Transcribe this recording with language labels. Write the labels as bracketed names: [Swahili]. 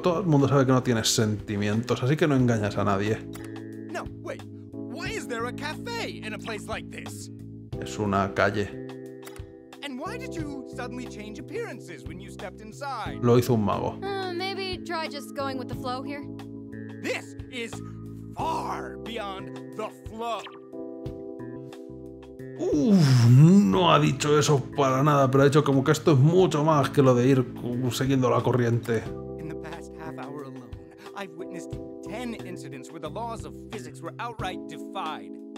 [Spanish] Todo el mundo sabe que no tienes sentimientos, así que no engañas a nadie. [English] No, wait. Why is there a cafe in a place like this? [Spanish] Es una calle. [English] And why did you suddenly change appearances when you stepped inside? [Spanish] Lo hizo un mago. [English] Maybe try just going with the flow here. This is far beyond the flow. [Spanish] Uf, no ha dicho eso para nada, pero ha dicho como que esto es mucho más que lo de ir siguiendo la corriente. [English] In the past half hour alone, I've witnessed 10 10 incidents where the laws of physics were outright defied.